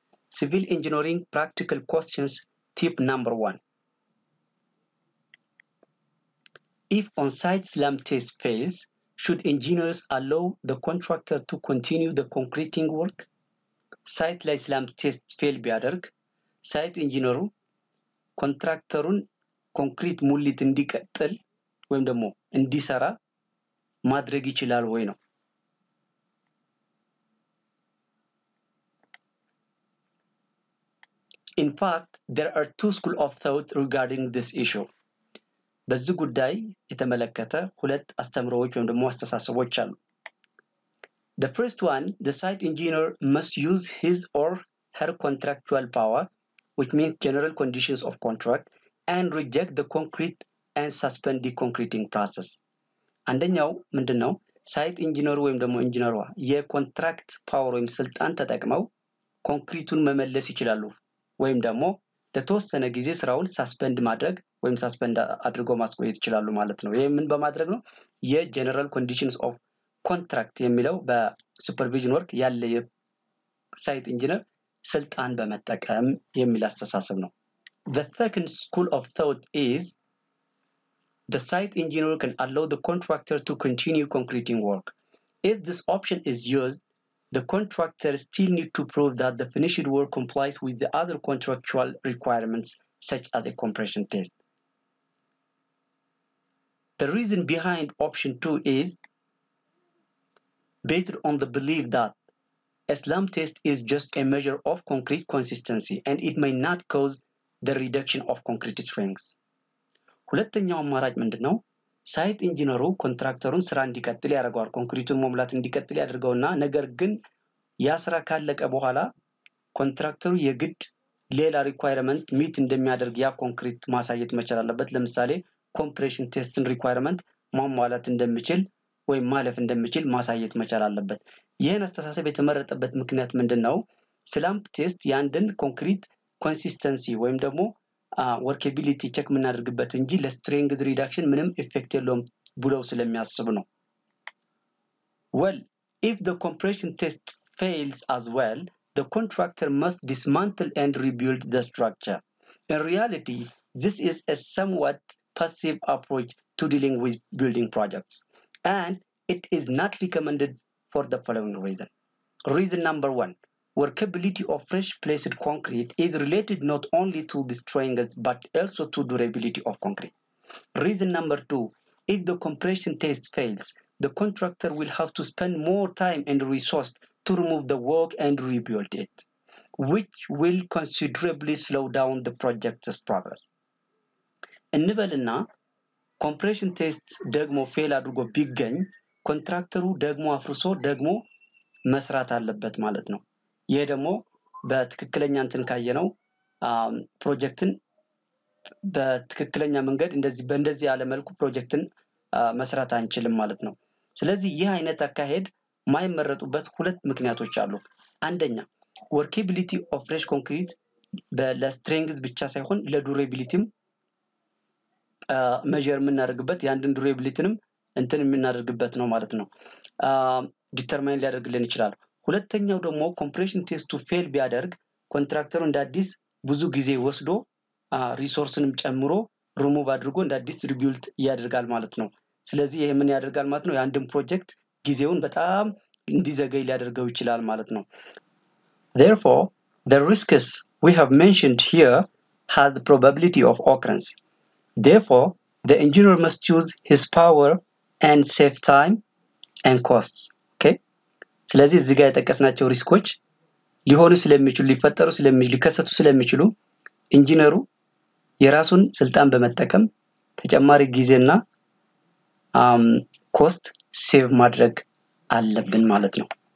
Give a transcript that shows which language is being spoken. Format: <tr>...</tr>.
<en>Civil engineering practical questions, tip number one. If on-site slump test fails, should engineers allow the contractor to continue the concreting work?</en> <am>Site ላይ slump test fail ቢያደርግ, site engineer contractorun concrete ሙሊት እንዲቀጥል ወይም ደግሞ እንዲሰራ ማድረግ ይችላል ወይ ነው? In fact, there are two schools of thought regarding this issue. በዚህ ጉዳይ የተመለከተ ሁለት አስተምሮዎች ወይም ደግሞ አስተሳሰቦች አሉ።</am> <en>The first one, the site engineer must use his or her contractual power, which means general conditions of contract, and reject the concrete and suspend the concreting process.</en> <am>አንደኛው ምንድን ነው? ሳይት ኢንጂነሩ ወይም ደግሞ ኢንጂነሯ የኮንትራክት ፓወር ወይም ስልጣን ተጠቅመው ኮንክሪቱን መመለስ ይችላሉ ወይም ደግሞ ለተወሰነ ጊዜ ስራውን ሳስፔንድ ማድረግ ወይም ሳስፔንድ አድርጎ ማስቆየት ይችላሉ ማለት ነው። ይሄ ምን በማድረግ ነው? የGeneral Conditions of Contract የሚለው በSupervision Work ያለ የሳይት ኢንጂነር ስልጣን በመጠቀም የሚያስተሳሰብ ነው።</am> <en>The second school of thought is the site engineer can allow the contractor to continue concreting work. If this option is used, the contractor still need to prove that the finished work complies with the other contractual requirements, such as a compression test. The reason behind option two is based on the belief that a slump test is just a measure of concrete consistency and it may not cause the reduction of concrete strength.</en> <am>ሁለተኛው አማራጭ ምንድነው? ሳይት ኢንጂነሩ ኮንትራክተሩን ስራ እንዲቀጥል ያደርጋል፣ ኮንክሪቱን መሙላት እንዲቀጥል ያደርጋልና ነገር ግን ያ ስራ ካለቀ በኋላ ኮንትራክተሩ የግድ ሌላ ሪኳየርመንት ሚት እንደሚያደርግ ያ ኮንክሪት ማሳየት መቻል አለበት። ለምሳሌ ኮምፕሬሽን ቴስትን ሪኳየርመንት ማሟላት እንደምችል ወይ ማለፍ እንደምችል ማሳየት መቻል አለበት። ይሄን አስተሳሰብ የተመረጠበት ምክንያት ምንድነው? ስላምፕ ቴስት ያንድን ኮንክሪት ኮንሲስተንሲ ወይም ደግሞ workability check ምናደርግበት እንጂ ለስትሬንግዝ ሪዳክሽን ምንም ኤፌክት የለውም ብለው ስለሚያስቡ ነው።</am> <en>Well, if the compression test fails as well, the contractor must dismantle and rebuild the structure. In reality, this is a somewhat passive approach to dealing with building projects, and it is not recommended for the following reason. Reason number one. Workability of fresh placed concrete is related not only to the strength but also to durability of concrete. Reason number two, if the compression test fails, the contractor will have to spend more time and resource to remove the work and rebuild it, which will considerably slow down the project's progress.</en> <am>እንበልና compression test ደግሞ fail አድርጎ ቢገኝ ኮንትራክተሩ ደግሞ አፍርሶ ደግሞ መስራት አለበት ማለት ነው። ይሄ ደግሞ በትክክለኛ እንትን ካየነው ፕሮጀክትን በትክክለኛ መንገድ እንደዚህ ያለ መልኩ ፕሮጀክትን መስራት አንችልም ማለት ነው። ስለዚህ ይሄ አይነት አካሄድ ማይመረጡበት ሁለት ምክንያቶች አሉ። አንደኛ</am> <en>workability of fresh concrete</en> <am>ለስትሬንግዝ ብቻ ሳይሆን ለዱሬቢሊቲም ሜጀር ምናደርግበት ያንድን ዱሬቢሊቲንም እንትን ምናደርግበት ነው ማለት ነው። ዲተርማይን ሊያደርግልን ይችላል። ሁለተኛው ደግሞ compression test to fail ቢያደርግ ኮንትራክተሩ እንደ አዲስ ብዙ ጊዜ ወስዶ ሪሶርስንም ጨምሮ ሪሙቭ አድርጎ እንደ አዲስ ሪቢልድ ያደርጋል ማለት ነው። ስለዚህ ይሄ ምን ያደርጋል ማለት ነው? ያንድም ፕሮጀክት ጊዜውን በጣም እንዲዘገይ ሊያደርገው ይችላል ማለት ነው።</am> <en>Therefore, the risks we have mentioned here have the probability of occurrence. Therefore, the engineer must choose his power and save time and costs.</en> <am>ስለዚህ እዚህ ጋር የተቀሰናቸው ሪስኮች ሊሆኑ ስለሚችሉ ሊፈጠሩ ስለሚችሉ ሊከሰቱ ስለሚችሉ ኢንጂነሩ የራሱን ስልጣን በመጠቀም ተጨማሪ ጊዜና ኮስት ሴቭ ማድረግ አለብን ማለት ነው።</am>